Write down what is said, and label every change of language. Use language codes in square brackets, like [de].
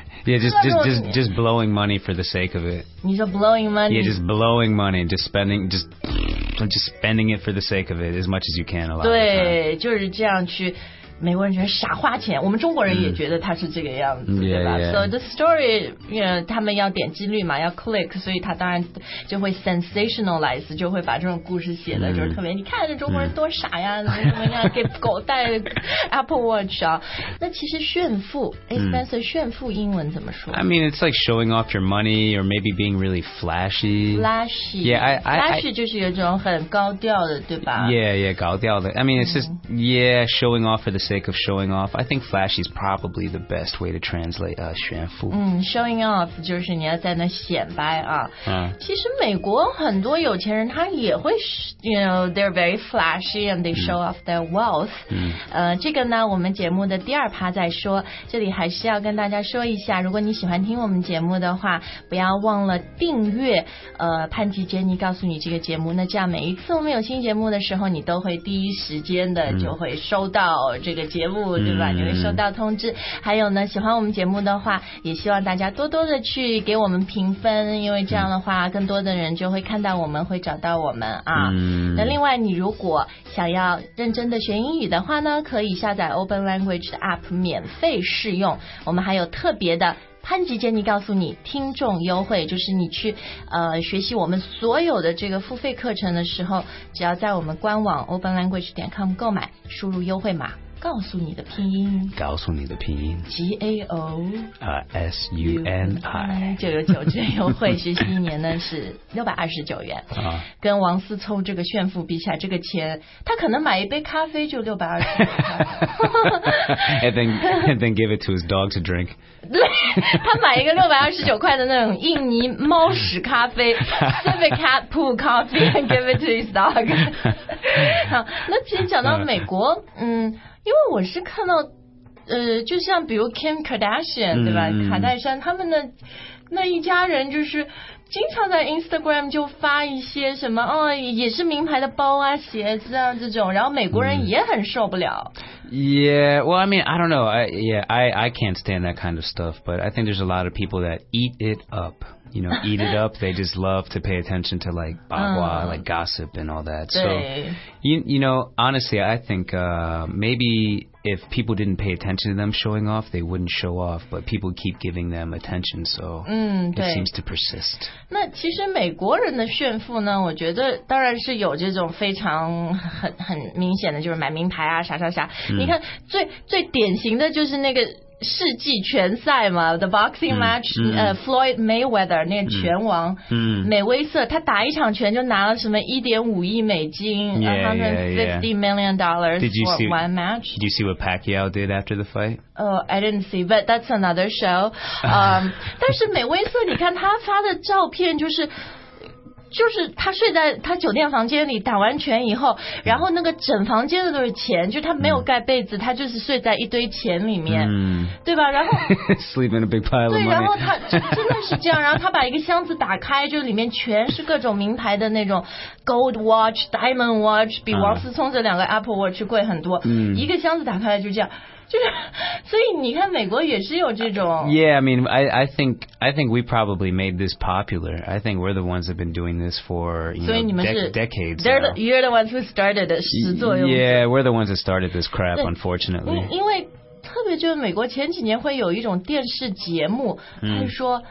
[en] Yeah, just blowing money for the sake of it. [zh] 你说 blowing money? [en] Yeah, just blowing money, just spending it for the sake of it, as much as you can, a lot of the time. [zh] 对，就是这样去。美国人觉得傻花钱，我们中国人也觉得他是这个样子，对吧？ [en] So the story, you know, [zh] 他们要点击率嘛，要 click, 所以他当然就会 sensationalize, 就会把这种故事写的就是特别，你看这中国人多傻呀，怎么样给狗戴 Apple Watch 啊？那其实炫富 ，expensive 炫富英文怎么说 [en] ？I mean, it's like showing off your money or maybe being really flashy. Flashy. Yeah, [zh] flashy 就是有种很高调的，对吧？Yeah, 高调的。 [en] I mean, it's just showing off for the sake of showing off. I think flashy is probably the best way to translate 炫富。 [zh] Showing off 就是你要在那显摆啊。其实美国很多有钱人他也会 [en] ，you know, they're very flashy and they show off their wealth. [zh] 这个呢，我们节目的第二趴再说。这里还是要跟大家说一下，如果你喜欢听我们节目的话，不要忘了订阅潘吉杰尼告诉你这个节目。那这样每一次我们有新节目的时候，你都会第一时间的就会收到这个节目，对吧？你会收到通知。还有呢，喜欢我们节目的话，也希望大家多多的去给我们评分，因为这样的话，更多的人就会看到我们，会找到我们啊。那另外，你如果想要认真的学英语的话呢，可以下载 Open Language 的 App 免费试用。我们还有特别的潘吉杰尼告诉你听众优惠，就是你去学习我们所有的这个付费课程的时候，只要在我们官网 openlanguage.com 购买，输入优惠码告诉你的拼音，告诉你的拼音 GAOSUNI 999，这优惠学习一年呢是629元，跟王思聪这个炫富比起来，这个钱他可能买一杯咖啡就629 [en] 块and then give it to his dog to drink。 [zh] 对，他买一个629块的那种印尼猫屎咖啡， [en] Civic cat poo coffee and give it to his dog [zh] 好。那其实讲到美国，因为我是看到，就像比如 Kim Kardashian 对吧，卡戴珊他们的那一家人就是。经常在 Instagram 就发一些什么也是名牌的包啊鞋子啊这种，然后美国人也很受不了。 [en] Yeah, well, I mean, I don't know. I can't stand that kind of stuff, but I think there's a lot of people that eat it up. You know, eat it up. They just love to pay attention to like 八卦like gossip and all that. So, you know, honestly, I think maybe if people didn't pay attention to them showing off, they wouldn't show off. But people keep giving them attention, so it seems to persist. [zh] 那其实美国人的炫富呢，我觉得当然是有这种非常很明显的，就是买名牌啊，啥啥啥。你看最典型的就是那个世纪拳赛嘛 ，The Boxing Match， Floyd Mayweather 那个拳王，美威瑟，他打一场拳就拿了什么$1.5 million， [en] $150 million for one match。 Did you see what Pacquiao did after the fight？ Oh, I didn't see, but that's another show。 [zh] 但是美威瑟，你看他发的照片就是。就是他睡在他酒店房间里打完拳以后，然后那个整房间的都是钱，就他没有盖被子，他就是睡在一堆钱里面，对吧？然后 [en] sleep in a big pile of money。 [zh] 对，然后他真的是这样，然后他把一个箱子打开，就里面全是各种名牌的那种 gold watch、diamond watch， 比王思聪这两个 Apple watch 贵很多。一个箱子打开来就这样。就是，所以你看，美国也是有这种。 [en] Yeah, I mean, I think we probably made this popular. I think we're the ones that have been doing this for decades. You're the ones who started it. [zh] 始作俑者。 [en] Yeah, we're the ones that started this crap, unfortunately. [zh] 因为特别就是美国前几年会有一种电视节目，他说